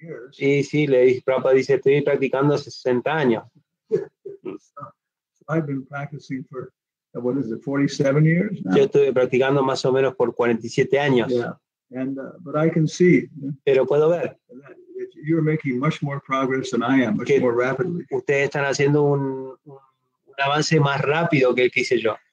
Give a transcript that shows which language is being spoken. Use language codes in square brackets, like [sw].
[es] Sí, sí, le dice, Prabhupada dice, estoy practicando hace 60 años. [en] I've been practicing for, what is it, 47 years now? [es] Yo estuve practicando más o menos por 47 años. [en] Yeah. And, but I can see, [es] pero puedo ver [en] that you're making much more progress than I am, much more rapidly. [es] Ustedes están haciendo un avance más rápido que el que hice yo.